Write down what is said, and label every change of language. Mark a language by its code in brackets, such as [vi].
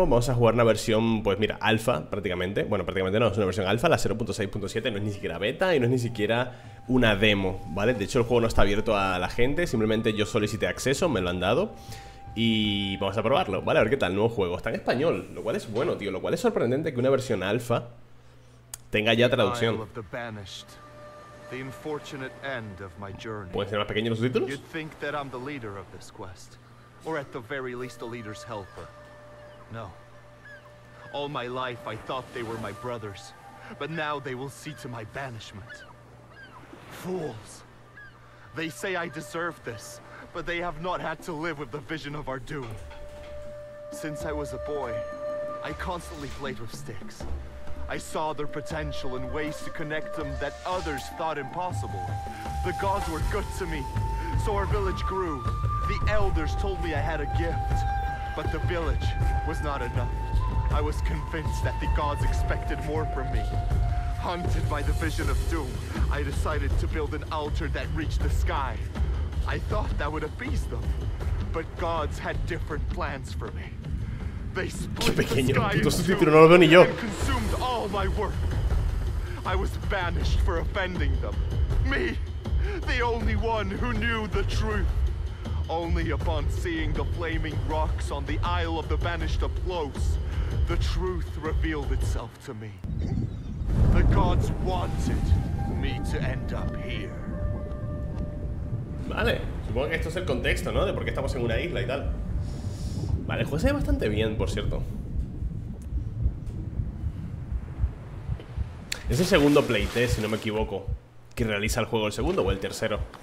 [es] Vamos a jugar una versión, pues mira, alfa prácticamente. Bueno, prácticamente no, es una versión alfa, la 0.6.7. No es ni siquiera beta y no es ni siquiera una demo, ¿vale? De hecho el juego no está abierto a la gente. Simplemente yo solicité acceso, me lo han dado. Y vamos a probarlo, ¿vale? A ver qué tal, nuevo juego. Está en español, lo cual es bueno, tío. Lo cual es sorprendente que una versión alfa tenga ya traducción. ¿Pueden ser más pequeños los subtítulos? [en] You'd think that I'm the leader of this quest, or at the very least a leader's helper. No. All my life I thought they were my brothers, but now they will see to my banishment. Fools. They say I deserve this, but they have not had to live with the vision of our doom. Since I was a boy, I constantly played with sticks. I saw their potential and ways to connect them that others thought impossible. The gods were good to me, so our village grew. The elders told me I had a gift, but the village was not enough. I was convinced that the gods expected more from me. Haunted by the vision of doom, I decided to build an altar that reached the sky. I thought that would appease them, but gods had different plans for me. [es] Qué pequeño, puto subtítulo, no lo veo ni yo. [en] Consumed all my work. I was banished for offending them. Me, the only one who knew the truth. Only upon seeing the flaming rocks on the Isle of the Banished up close, the truth revealed itself to me. The gods wanted me to end up here. [es] Vale, supongo que esto es el contexto, ¿no? De por qué estamos en una isla y tal. Vale, el juego se ve bastante bien, por cierto. Es el segundo playtest, si no me equivoco, que realiza el juego, el segundo o el tercero.